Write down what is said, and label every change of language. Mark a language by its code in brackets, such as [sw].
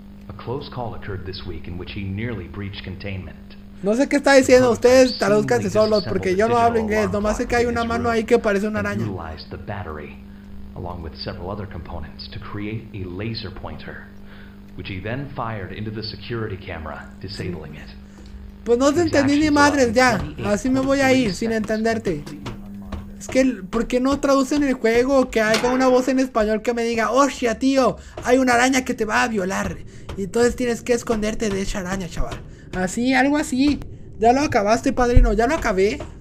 [en] A close call occurred this week in which he nearly breached containment. [es] No sé qué está diciendo. Ustedes traduzcanse solos porque yo no hablo inglés. Nomás sé que hay una mano ahí que parece una araña. [en] Utilized the battery along with several other components to create a laser pointer. Which he then fired into the security camera, disabling it. [es] Pues no te entendí ni madres, ya. Así me voy a ir, sin entenderte. Es que, ¿por qué no traducen el juego? Que haya una voz en español que me diga, ¡hostia, tío! Hay una araña que te va a violar. Y entonces tienes que esconderte de esa araña, chaval. Así, algo así. Ya lo acabaste, padrino, ya lo acabé.